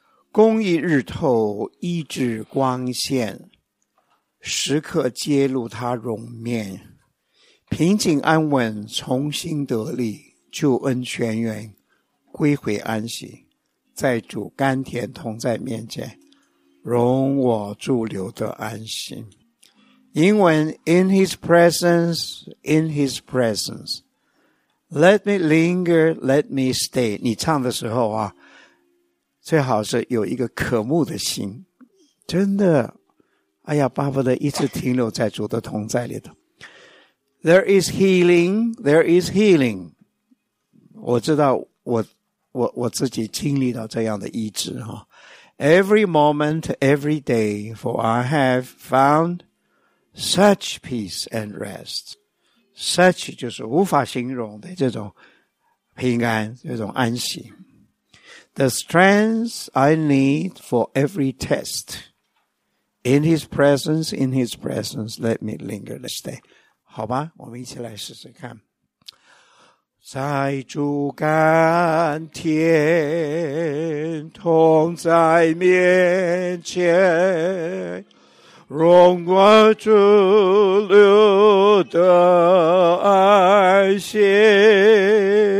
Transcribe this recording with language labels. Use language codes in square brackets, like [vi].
[zh] 公义日头医治光线，时刻揭露他容面。平静安稳重新得力，救恩全员归回安息。在主甘甜同在面前，容我驻留得安心。 [en] 英文 In his presence, in his presence, let me linger, let me stay。 [zh] 你唱的时候啊，最好是有一个渴慕的心，真的，哎呀，巴不得一直停留在主的同在里头。 [en] There is healing, there is healing。 [zh] 我知道我自己经历到这样的医治哈。 [en] Every moment, every day, for I have found such peace and rest。 [zh] Such 就是无法形容的这种平安，这种安息。 [en] The strength I need for every test, in his presence, in his presence, let me linger, let's stay。 [zh] 好吧，我们一起来试试看。在主甘甜同在面前，容我驻留得安歇。